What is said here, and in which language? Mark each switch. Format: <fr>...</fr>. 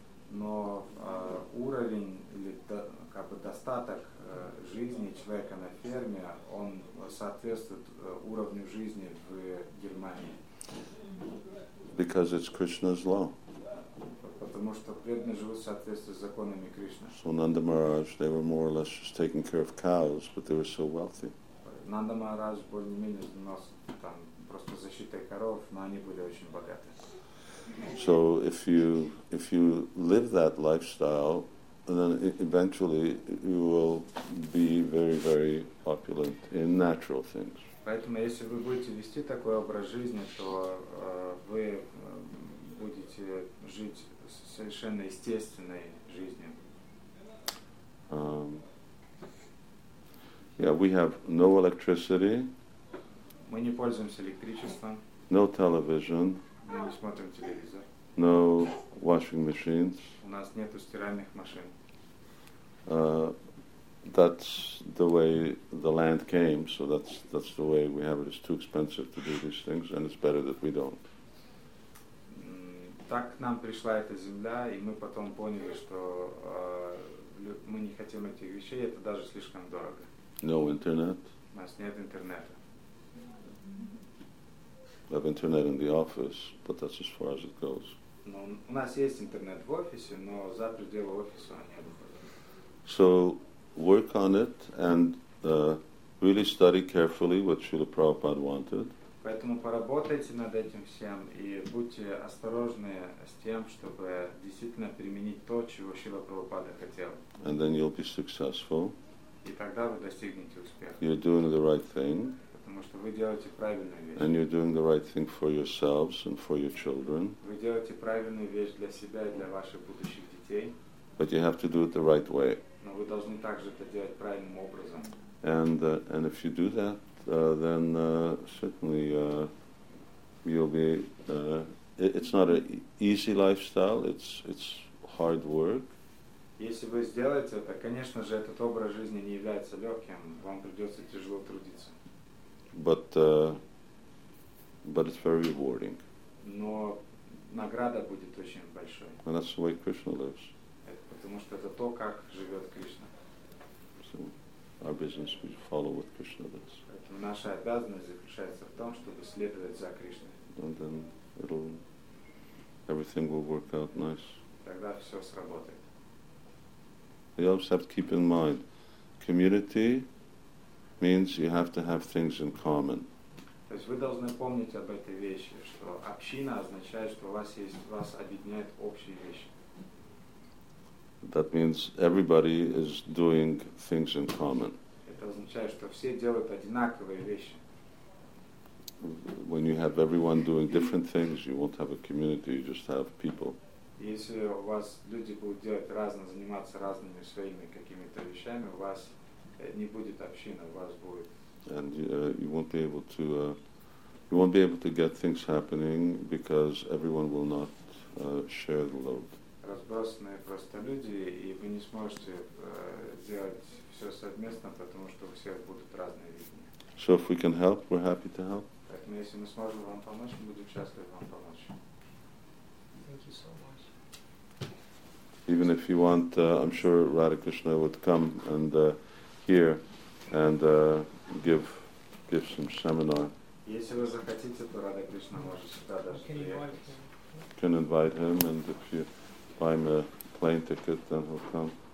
<ru>Но уровень или как бы достаток жизни человека на ферме, он соответствует уровню жизни в Германии.</ru> <en>Because it's Krishna's law.</en> <ru>Потому что преданные живут в соответствии с законами Кришны.</ru> <en>So Nanda Maharaj, they were more or less just taking care of cows, but they were so wealthy.</en> <ru>Nanda Maharaj более-менее занимался там просто защитой коров, но они были очень богаты.</ru> <en>So if you live that lifestyle, then eventually you will be very, very opulent in natural things.</en> <ru>Поэтому если вы будете вести такой образ жизни, то вы будете жить совершенно естественной жизнью.</ru> <en>We have no electricity.</en> <ru>Мы не пользуемся электричеством.</ru> <en>No television.</en> <ru>Мы не смотрим телевизор.</ru> <en>No washing machines.</en> <ru>У нас нету стиральных машин.</ru> <en>That's the way the land came, so that's the way we have it. It's too expensive to do these things, and it's better that we don't.</en> <ru>Так к нам пришла эта земля, и мы потом поняли, что мы не хотим этих вещей, это даже слишком дорого.</ru> <en>No internet?</en> <ru>У нас нет интернета.</ru> <en>We have internet in the office, but that's as far as it goes.</en> <ru>Но у нас есть интернет в офисе, но за пределы офиса нет.</ru> <en>So work on it and really study carefully what Srila Prabhupada wanted.</en> <ru>Поэтому поработайте над этим всем и будьте осторожны с тем, чтобы действительно применить то, чего Шрила Прабхупада хотел.</ru> <en>And then you'll be successful.</en> <ru>И тогда вы достигнете успеха.</ru> <en>You're doing the right thing.</en> <ru>Потому что вы делаете правильную вещь.</ru> <en>And you're doing the right thing for yourselves and for your children.</en> <ru>Вы делаете правильную вещь для себя и для ваших будущих детей.</ru> <en>But you have to do it the right way.</en> <ru>Но вы должны также это делать правильным образом.</ru> <en>And if you do that, then certainly you'll be. It's not an easy lifestyle. It's hard work.</en> <ru>Если вы сделаете это, конечно же, этот образ жизни не является легким. Вам придется тяжело трудиться.</ru> <en>But it's very rewarding.</en> <ru>Но награда будет очень большой.</ru> <en>And that's the way Krishna lives.</en> <ru>Потому что это то, как живет Кришна.</ru> <en>So our business, we follow what Krishna does.</en> <ru>Поэтому наша обязанность заключается в том, чтобы следовать за Кришной.</ru> <en>And then everything will work out nice.</en> <ru>Тогда все сработает.</ru> <en>You always have to keep in mind, community means you have to have things in common.</en> <ru>То есть вы должны помнить об этой вещи, что община означает, что вас объединяет общие вещи.</ru> <en>That means everybody is doing things in common.</en> <ru>Это означает, что все делают одинаковые вещи.</ru> <en>When you have everyone doing different things, you won't have a community, you just have people.</en> <ru>Если у вас люди будут делать разные, заниматься разными своими какими-то вещами, у вас не будет общины, у вас будет.</ru> <en>And you won't be able to get things happening because everyone will not share the load.</en> <ru>Разбросанные просто люди, и вы не сможете делать все совместно, потому что у всех будут разные видения.</ru> <en>So if we can help, we're happy to help.</en> <ru>Поэтому если мы сможем вам помочь, мы будем счастливы вам помочь.</ru> <en>Thank you so much. Even if you want, I'm sure Radha Krishna would come and hear and give some seminar.</en> <ru>Если вы захотите, то Радха Кришна может сюда даже приехать.</ru> <en>Can invite him, and if you buy him a plane ticket, then he'll come.</en>